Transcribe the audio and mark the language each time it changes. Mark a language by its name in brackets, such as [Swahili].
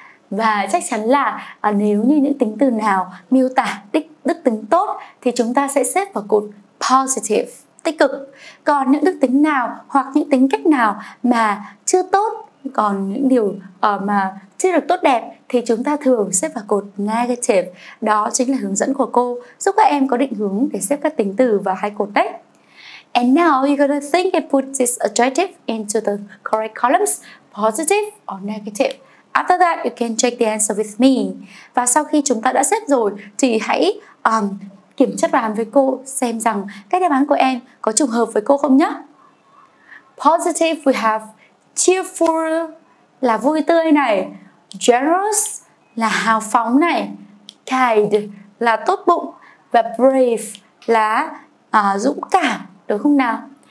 [Vietnamese] Và chắc chắn là nếu như những tính từ nào miêu tả đức tính tốt thì chúng ta sẽ xếp vào cột positive, tích cực. Còn những đức tính nào hoặc những tính cách nào mà chưa tốt, còn những điều mà chưa được tốt đẹp thì chúng ta thường xếp vào cột negative. Đó chính là hướng dẫn của cô giúp các em có định hướng để xếp các tính từ vào hai cột đấy. [English] And now you're gonna think and put this adjective into the correct columns, positive or negative. After that, you can check the answer with me. [Vietnamese] Và sau khi chúng ta đã xếp rồi thì hãy kiểm tra bàn với cô xem rằng cái đáp án của em có trùng hợp với cô không nhé. [English] Positive, we have cheerful [Vietnamese] là vui tươi này, generous là hào phóng này, kind là tốt bụng, và brave là dũng cảm, đúng không nào?